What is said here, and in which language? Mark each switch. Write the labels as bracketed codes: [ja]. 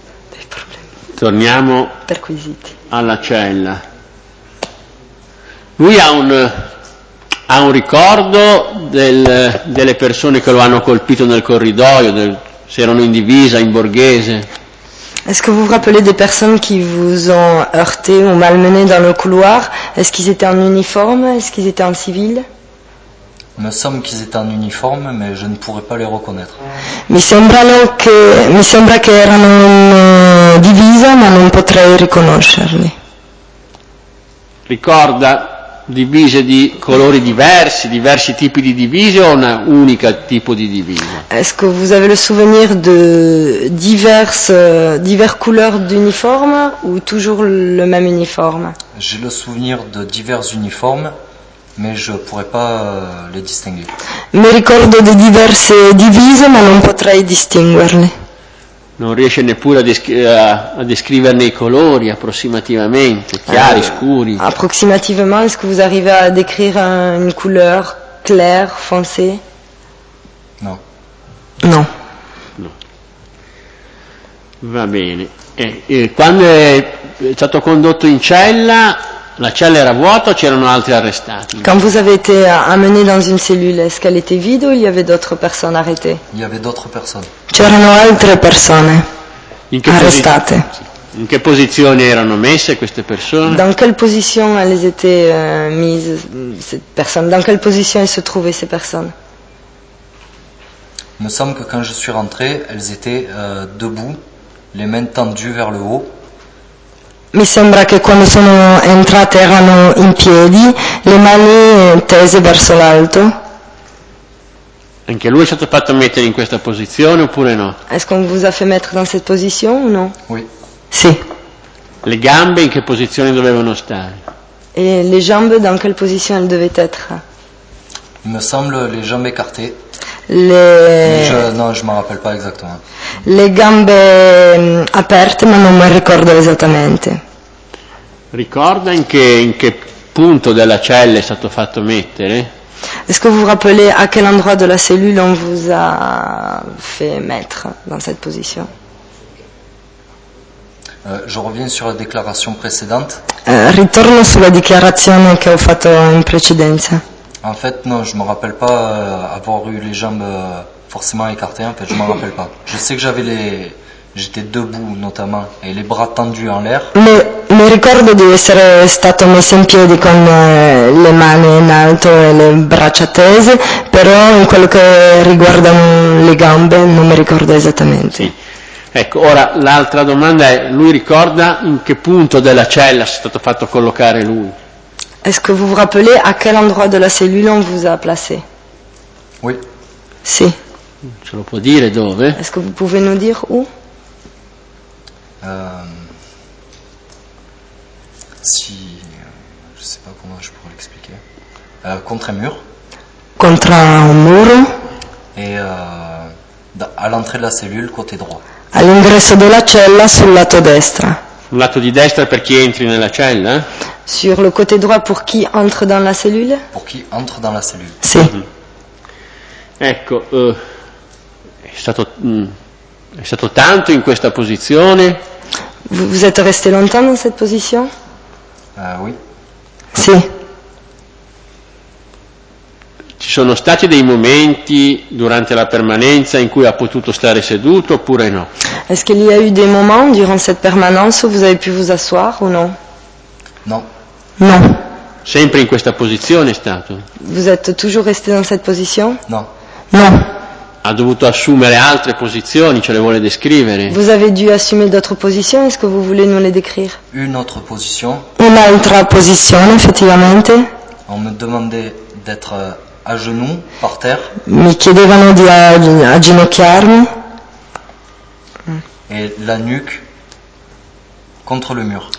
[it] dei problemi. Torniamo perquisiti alla cella. Lui ha un ricordo delle persone che lo hanno colpito nel corridoio, se erano in divisa, in borghese? [fr] Est-ce que vous rappelez des personnes qui vous ont heurté ou malmené dans le couloir? Est-ce qu'ils étaient en uniforme? Est-ce qu'ils étaient en civil? Me semble qu'ils étaient en uniforme, mais je ne pourrais pas les reconnaître. [it] Mi sembra che erano in divisa, ma non potrei riconoscerli. Ricorda divise di colori diversi tipi di divise o una unica tipo di divisa? [fr] Est-ce que vous avez le souvenir de diverses couleurs d'uniforme ou toujours le même uniforme? J'ai le souvenir de divers uniformes, mais je pourrais pas les distinguer. [it] Mi ricordo di diverse divise, ma non potrei distinguerle. Non riesce neppure a descriverne i colori approssimativamente, chiari, scuri. [fr] Approximativement, est-ce que vous arrivez à décrire une couleur claire, foncée? [it] No. Va bene. Quando è stato condotto in cella, la cella era vuota o c'erano altri arrestati? [fr] Quand vous avez été amené dans une cellule, est-ce qu'elle était vide ou il y avait d'autres personnes arrêtées? Il y avait d'autres personnes. [it] C'erano altre persone arrestate. In che posizione erano messe queste persone? [fr] Dans quelle position elles étaient mises cette personne? Dans quelle position elles se trouvaient ces personnes? Me semble que quand je suis rentré, elles étaient debout, les mains tendues vers le haut. [it] Mi sembra che quando sono entrate erano in piedi, le mani tese verso l'alto. Anche lui è stato fatto mettere in questa posizione oppure no? [fr] Est-ce qu'on vous a fait mettre dans cette position ou non? Oui. [it] Sì. Le gambe in che posizione dovevano stare? [fr] E le jambes dans quelle position elles devaient être? Il me semble les jambes écartées. Non, je me rappelle pas exactement. [it] Le gambe aperte, ma non me ricordo esattamente. Ricorda in che punto della cella è stato fatto mettere? [fr] Est-ce que vous vous rappelez à quel endroit de la cellule on vous a fait mettre dans cette position? Je reviens sur la déclaration précédente. [it] Ritorno sulla dichiarazione che ho fatto in precedenza. [fr] En fait, non, je ne me rappelle pas avoir eu les jambes forcément écartées, en fait, je ne me rappelle pas. Je sais que j'étais debout notamment et les bras tendus en l'air. [it] Mi ricordo di essere stato messo in piedi con le mani in alto e le braccia tese, però in quello che riguarda le gambe non mi ricordo esattamente. Sì. Ecco, ora l'altra domanda è, lui ricorda in che punto della cella è stato fatto collocare lui? [fr] Est-ce que vous vous rappelez à quel endroit de la cellule on vous a placé? Oui. [it] Sì. Ce lo può dire dove? [fr] Est-ce que vous pouvez nous dire où? Si, je sais pas comment je pourrais l'expliquer. Contre un mur. Contre un mur. Et à l'entrée de la cellule, côté droit. [it] All'ingresso della cella, sul lato destra. Sul lato di destra per chi entri nella cella? [fr] Sur le côté droit pour qui entre dans la cellule? Pour qui entre dans la cellule. [it] Sì. Mm-hmm. Ecco, è stato tanto in questa posizione. [fr] Vous êtes resté longtemps dans cette position? Oui. [it] Sì. Ci sono stati dei momenti durante la permanenza in cui ha potuto stare seduto oppure no? [fr] Est-ce qu'il y a eu des moments durant cette permanence où vous avez pu vous asseoir ou non? Non. Non. [it] Sempre in questa posizione è stato? [fr] Vous êtes toujours resté dans cette position? Non. Non. [it] Ha dovuto assumere altre posizioni, ce le vuole descrivere? [fr] Vous avez dû assumer d'autres positions, est-ce que vous voulez nous les décrire? [it] Un'altra posizione, effettivamente. [fr] On me demandait d'être à genoux, par terre. [it] Mi chiedevano di agginocchiarmi. [fr] Et la nuque contre le mur.